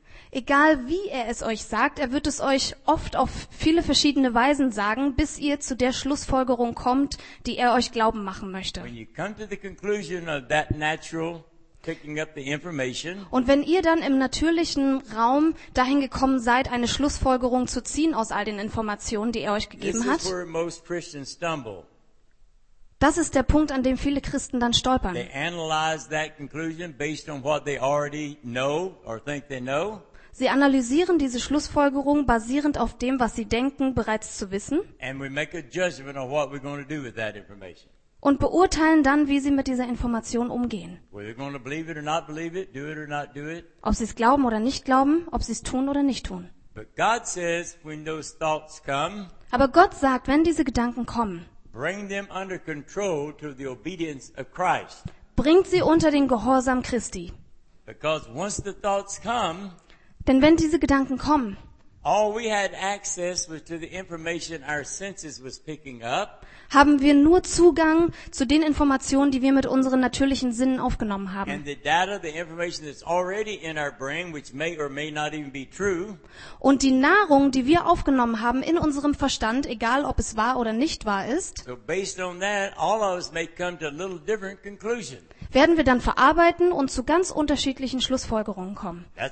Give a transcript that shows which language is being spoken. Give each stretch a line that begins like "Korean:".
German: Egal wie er es euch sagt, er wird es euch oft auf viele verschiedene Weisen sagen, bis ihr zu der Schlussfolgerung kommt, die er euch glauben machen möchte.
English: When you come to the conclusion of that natural picking up the information,
German: und wenn ihr dann im natürlichen Raum dahin gekommen seid, eine Schlussfolgerung zu ziehen aus all den Informationen, die er euch gegeben hat,
English: this is where most Christians stumble.
German: Das ist der Punkt, an dem viele Christen dann stolpern.
English: They analyze that conclusion based on what they already know or think they know.
German: Sie analysieren diese Schlussfolgerung basierend auf dem, was sie denken, bereits zu wissen.
English: And we make a judgment on what we're going to do with that information.
German: Und beurteilen dann, wie sie mit dieser Information umgehen. Ob sie es glauben oder nicht glauben, ob sie es tun oder nicht tun.
English: But God says, when those thoughts come,
German: aber Gott sagt, wenn diese Gedanken kommen,
English: bring them under control to the obedience of Christ.
German: Bringt sie unter den Gehorsam Christi.
English: Because once the thoughts come,
German: denn wenn diese Gedanken kommen,
English: All we had access was to the information our senses was picking up.
German: Haben wir nur Zugang zu den Informationen, die wir mit unseren natürlichen Sinnen aufgenommen haben.
English: And the data, the information that's already in our brain, which may or may not even be true.
German: Und die Nahrung, die wir aufgenommen haben in unserem Verstand, egal ob es wahr oder nicht wahr ist.
English: So based on that, all of us may come to a little different conclusion.
German: Werden wir dann verarbeiten und zu ganz unterschiedlichen Schlussfolgerungen kommen.